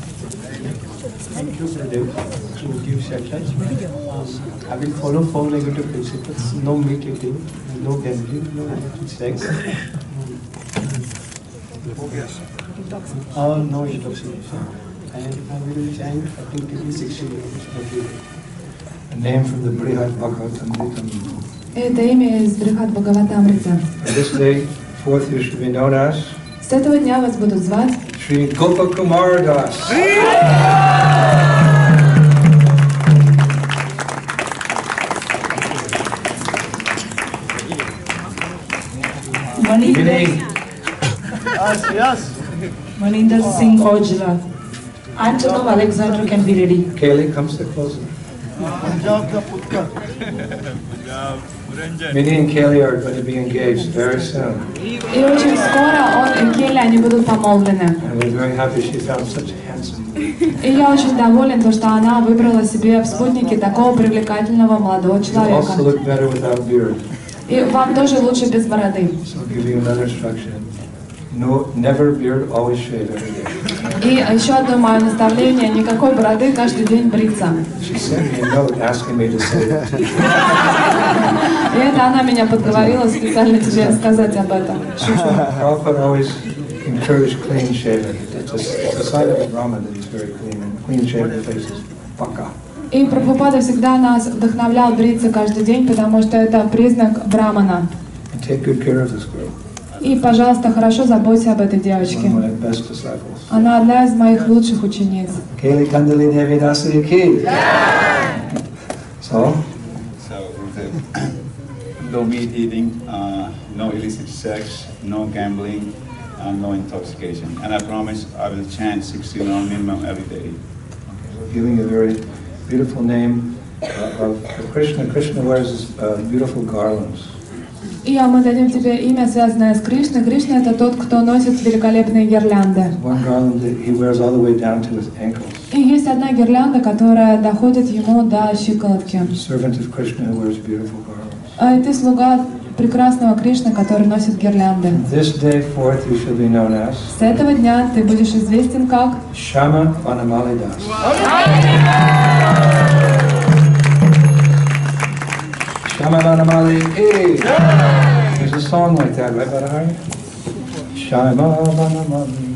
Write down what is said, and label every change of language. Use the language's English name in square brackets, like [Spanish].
[English] Thank you, Sadev, to give such a chance. I will follow four negative principles, no meat eating, no gambling, no sex. Oh, yes. No intoxication. And I will chant up to 60 minutes. A name from the Brihat Bhagavatamrita. [Russian] Это имя из Брихат Бхагаватамрита. [English] This day, fourth, you should be known as. [Russian] С этого дня вас будут звать. [English] Sri Gopakumara Das. Yes. Maninder Singh Aujla. Antonov Alexander can be ready. Kaylee, come sit closer. [Hindi] Punjab ka putka. [English] Punjab. Minnie and Kaylee are going to be engaged very soon. [Russian] И очень скоро он и Кейли они будут помолвлены. [English] And we're very happy she found such a handsome. [Russian] И я очень доволен то, что она выбрала себе в спутнике такого привлекательного молодого человека. [English] You also look better without beard. [Russian] И вам тоже лучше без бороды. [English] So I'll give you another instruction. No, never beard, always shave every day. [Russian] И еще одно мое наставление: никакой бороды, каждый день бриться. [English] She sent me a note asking me to say that. [Russian] И это она меня подговорила специально тебе сказать об этом. [English] Prabhupada always encouraged clean shaving. It's a sign of a Brahmin that he's very clean. And clean shaven faces, пока. [Russian] И Прабхупада всегда нас вдохновлял бриться каждый день, потому что это признак брамана. [English] Take good care of this girl. [Russian] И, пожалуйста, хорошо заботься об этой девочке. Она одна из моих лучших учениц. Кейли Кандали Деви Даси Ки. [English] So? So, Rudev. No meat eating, no illicit sex, no gambling, and no intoxication. And I promise I will chant 69 minimum every day. Okay. Giving a very beautiful name of Krishna. Krishna wears beautiful garlands. [Russian] И мы дадим тебе имя, связанное с Кришной. Кришна — это тот, кто носит великолепные гирлянды. [English] One garland that he wears all the way down to his ankles. [Russian] И есть одна гирлянда, которая доходит ему до щиколотки. [English] Servant of Krishna who wears beautiful garlands. [Russian] А ты слуга прекрасного Кришны, который носит гирлянды. [English] This day forth you shall be known as. [Russian] С этого дня ты будешь известен как. [English] Shama Vanamali Das. Shama Vanamali Ki. There's a song like that, right, Badahari? Shama Vanamali.